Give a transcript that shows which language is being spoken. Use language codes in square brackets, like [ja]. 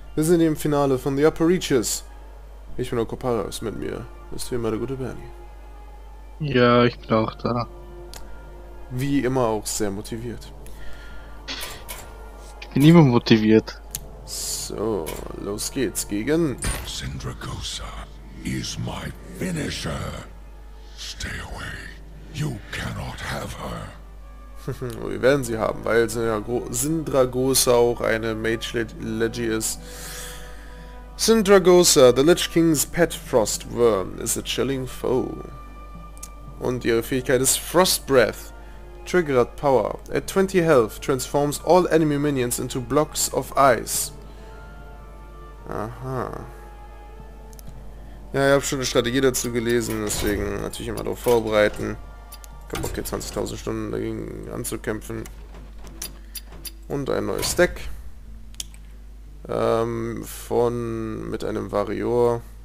[de] Wir sind im Finale von The Upper Reaches. Ich bin Okoparos, mit mir ist wie immer der gute Bernie. Ja, ich bin auch da. Wie immer auch sehr motiviert. Ich bin immer motiviert. So, los geht's gegen... [en] Syndragosa is my finisher. Stay away. You cannot have her. [de] Wir werden sie haben, weil Syndragosa auch eine Mage-Legi ist. [en] Syndragosa, the Lich King's pet frost worm, is a chilling foe. [de] Und ihre Fähigkeit ist Frost Breath. [en] Triggered power. At 20 health, transforms all enemy minions into blocks of ice. [de] Aha. Ja, ich habe schon eine Strategie dazu gelesen, deswegen natürlich immer darauf vorbereiten. Okay, 20.000 Stunden dagegen anzukämpfen. Und ein neues Deck. Mit einem Varior.